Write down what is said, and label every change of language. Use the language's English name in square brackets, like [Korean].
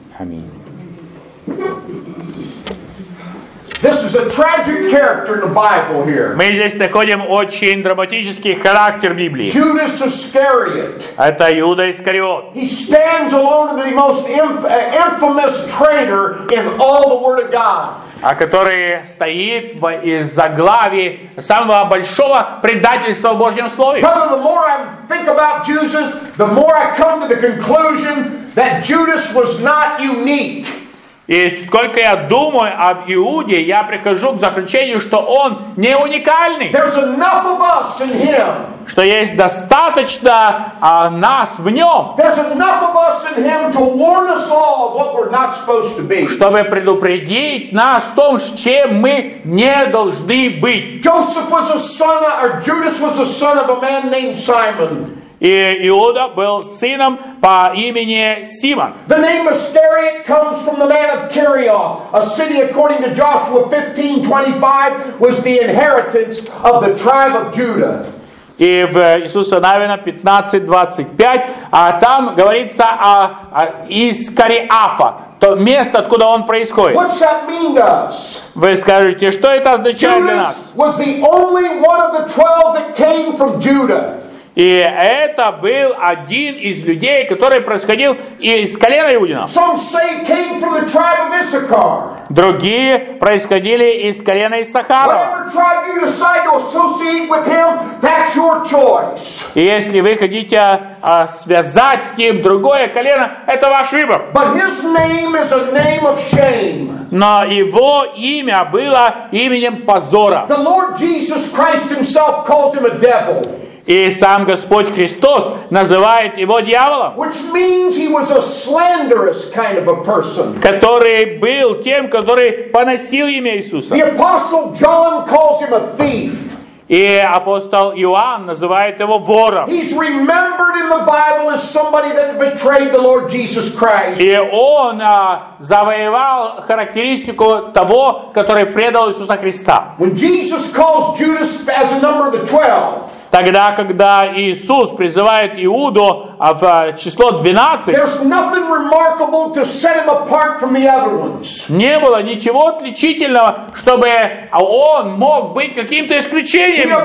[Russian] Аминь. [English] This is a tragic character in the Bible here. [Russian] Мы здесь находим очень драматический характер Библии. [English] Judas Iscariot. [Russian] Это Иуда Искариот. [English] He stands alone as the most infamous traitor in all the Word of God. [Russian] А который стоит в изоглавии самого большого предательства в Божьем слове. [English] Brother, the more I think about Judas, the more I come to the conclusion that Judas was not unique. [Russian] И сколько я думаю об Иуде, я прихожу к заключению, что он не уникальный. [English] There's enough of us in him. [Russian] Что есть достаточно нас в нем. [English] There's enough of us in him to warn us all of what we're not supposed to be. [Russian] Чтобы предупредить нас в том, с чем мы не должны быть. [English] Joseph was a son of, or Judas was a son of a man named Simon. [Russian] И Иуда был сыном по имени Симон. [English] The name Iscariot comes from the man of Kirioth, a city according to Joshua 15:25 was the inheritance of the tribe of Judah. [Russian] И в Иисуса Навина 15:25, там говорится о Искариафа, то место, откуда он происходит. [English] What's that mean to us? [Russian] Вы скажете, что это означает для нас? [English] Judas was the only one of the 12 that came from Judah. [Russian] И это был один из людей, который происходил из колена Иудина. [English] Some say came from the tribe of Issachar. [Russian] Другие происходили из колена Иссахара. И если вы хотите связать с ним другое колено, это ваш выбор. [English] But his name is a name of shame. [Russian] Но его имя было именем позора. [English] The Lord Jesus Christ himself calls him a devil. [Russian] И сам Господь Христос называет его дьяволом, [English] which means he was a slanderous kind of a person. [Russian] Который был тем, который поносил имя Иисуса. [English] The apostle John calls him a thief. [Russian] И апостол Иоанн называет его вором. [English] He's remembered in the Bible as somebody that betrayed the Lord Jesus Christ. [Russian] И он завоевал характеристику того, который предал Иисуса Христа. [English] When Jesus calls Judas as a number of the 12, [Russian] тогда, когда Иисус призывает Иуду в число 12, не было ничего отличительного, чтобы он мог быть каким-то исключением.